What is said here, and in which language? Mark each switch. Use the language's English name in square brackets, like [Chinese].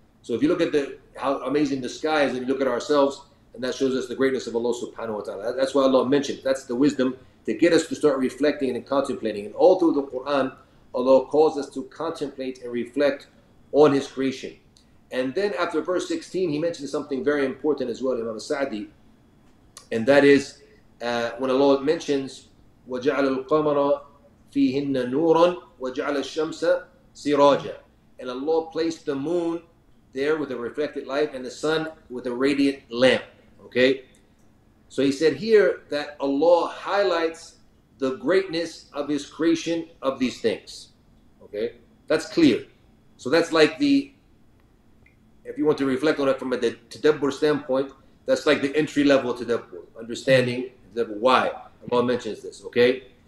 [English] So if you look at how amazing the sky is, and you look at ourselves, and that shows us the greatness of Allah subhanahu wa ta'ala. That's why Allah mentioned, that's the wisdom to get us to start reflecting and contemplating. And all through the Quran, Allah calls us to contemplate and reflect on His creation. And then after verse 16, he mentions something very important as well, Imam al-Sa'di. [Arabic] And that is when Allah mentions, وَجَعَلَ الْقَمَرَ فِيهِنَّ نُورًا وَجَعَلَ الشَّمْسَ سِرَاجًا. [English] And Allah placed the moon there with a reflected light and the sun with a radiant lamp. Okay? So he said here that Allah highlights the greatness of his creation of these things. Okay, that's clear. So that's like the, if you want to reflect on it from a tadabbur standpoint, that's like the entry level tadabbur, understanding why Allah mentions this, okay?